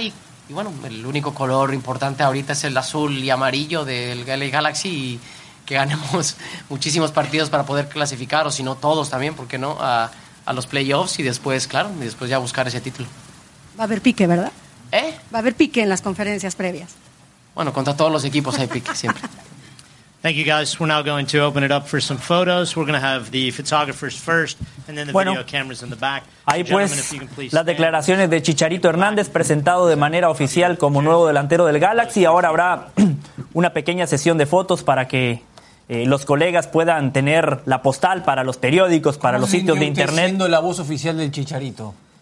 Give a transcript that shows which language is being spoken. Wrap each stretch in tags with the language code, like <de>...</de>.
<es>Y bueno, el único color importante ahorita es el azul y amarillo del LA Galaxy y que ganemos muchísimos partidos para poder clasificar, o si no todos también, ¿por qué no? A los playoffs y después, claro, y después ya buscar ese título. Va a haber pique, ¿verdad? ¿Eh? Va a haber pique en las conferencias previas. Bueno, contra todos los equipos hay pique siempre.</es> <en>Thank you guys. We're now going to open it up for some photos. We're going to have the photographers first and then the video cameras in the back.</en> <es>Ahí pues las declaraciones de Chicharito Hernández presentado de manera oficial como nuevo delantero del Galaxy. Ahora habrá una pequeña sesión de fotos para que los colegas puedan tener la postal para los periódicos, para los sitios de internet. Siendo la voz oficial del Chicharito.</es>